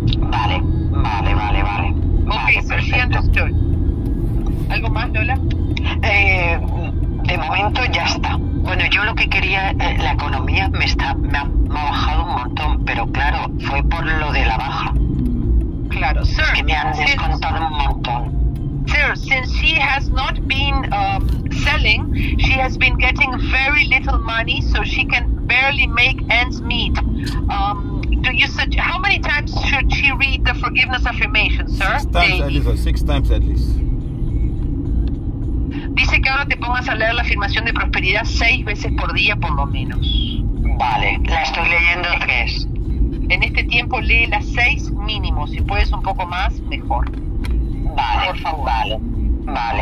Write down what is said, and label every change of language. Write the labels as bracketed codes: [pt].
[es] Vale, vale, vale, vale. Vale, ok, perfecto. ¿Algo más, Lola? De momento ya está. Bueno, yo lo que quería, la economía me ha bajado un montón, pero claro, fue por lo de la baja. Claro, [en] sir. [es] Que me han descontado un montón. [en] Sir, since she has not been selling, she has been getting very little money, so she can barely make ends meet. Do you how many times should she read the forgiveness affirmation, sir? Six times at least. [es] Dice que ahora te pongas a leer la afirmación de prosperidad 6 veces por día, por lo menos. Vale, la estoy leyendo 3. En este tiempo lee las 6 mínimo, si puedes un poco más, mejor. Vale, por favor. Vale.